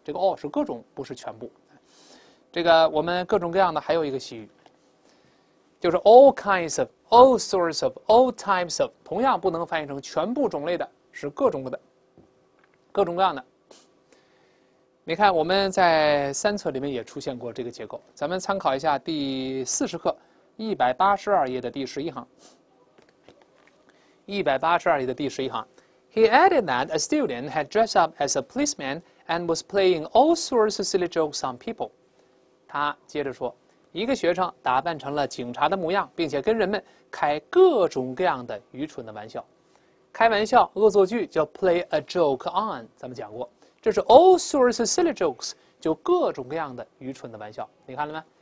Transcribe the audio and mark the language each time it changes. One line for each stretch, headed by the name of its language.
Chinese: 这个 all 是各种，不是全部。这个我们各种各样的还有一个习语，就是
English: all kinds of, all sorts of, all types of，
Chinese: 同样不能翻译成全部种类的，是各种的，各种各样的。你看我们在三册里面也出现过这个结构，咱们参考一下第40课182页的第11行。 182页的第11行
English: ，He added that a student had dressed up as a policeman and was playing all sorts of silly jokes on people。
Chinese: 他接着说，一个学生打扮成了警察的模样，并且跟人们开各种各样的愚蠢的玩笑。开玩笑、恶作剧叫
English: play a joke on，
Chinese: 咱们讲过，这是
English: all sorts of silly jokes，
Chinese: 就各种各样的愚蠢的玩笑。你看了没？